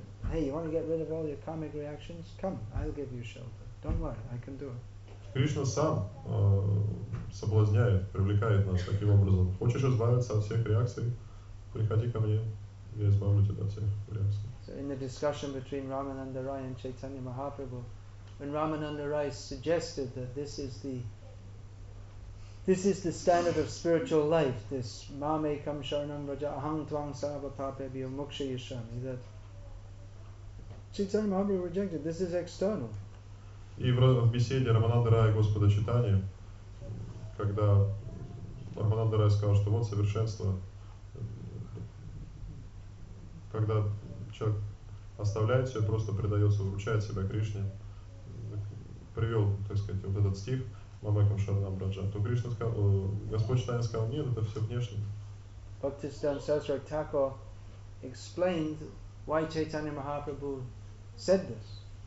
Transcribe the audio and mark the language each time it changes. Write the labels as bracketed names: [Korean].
[English] Hey, you want to get rid of all your karmic reactions? Come, I'll give you shelter. Don't worry, I can do it. [Russian] Кришна сам соблазняет, привлекает нас таким образом. Хочешь избавиться от всех реакций? Приходи ко мне, я избавлю тебя от всех реакций. [English] So in the discussion between Ramananda Rai and Chaitanya Mahaprabhu, when Ramananda Rai suggested that this is the This is the standard of spiritual life, this Mame Kam Sharnam Raja Ahang Tvang Sava Papebhyo Moksha Yashami, that Chaitanya Mahaprabhu rejected. This is external. [Russian] И в беседе Рамананда Рая Господа Читания, когда Рамананда Рая сказал, что вот совершенство, когда человек оставляет все, просто предается, вручает себя Кришне, привел, так сказать, вот этот стих Мамекам Шарнам Раджа, то Кришна сказал, Господь Читания сказал, нет, это все внешне. [English] Bhaktisiddhanta Sarasvati Thakur explained why Chaitanya Mahaprabhu said this.